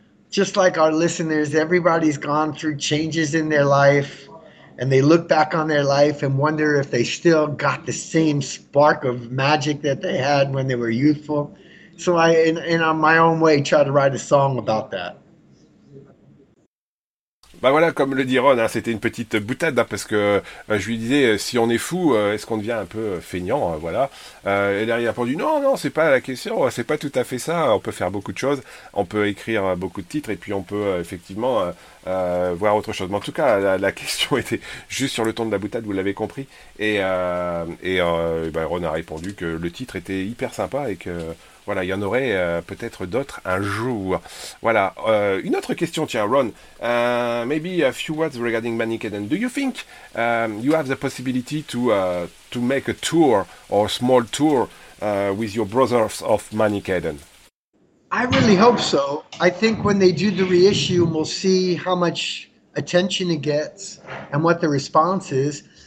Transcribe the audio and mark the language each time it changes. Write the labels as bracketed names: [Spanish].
[English] Just like our listeners, everybody's gone through changes in their life, and they look back on their life and wonder if they still got the same spark of magic that they had when they were youthful. So I, in on my own way, try to write a song about that. [French] Ben voilà, comme le dit Ron, hein, c'était une petite boutade, hein, parce que ben, je lui disais, si on est fou, est-ce qu'on devient un peu feignant, hein, voilà. Et là, il a répondu, non, c'est pas la question, c'est pas tout à fait ça, on peut faire beaucoup de choses, on peut écrire beaucoup de titres, et puis on peut effectivement voire autre chose. Mais en tout cas, la question était juste sur le ton de la boutade, vous l'avez compris. Et Ron a répondu que le titre était hyper sympa et que voilà, il y en aurait peut-être d'autres un jour. Voilà. Une autre question, tiens, Ron. [English] Maybe a few words regarding Manic Eden. Do you think you have the possibility to make a tour or small tour with your brothers of Manic Eden? I really hope so. I think when they do the reissue, we'll see how much attention it gets and what the response is.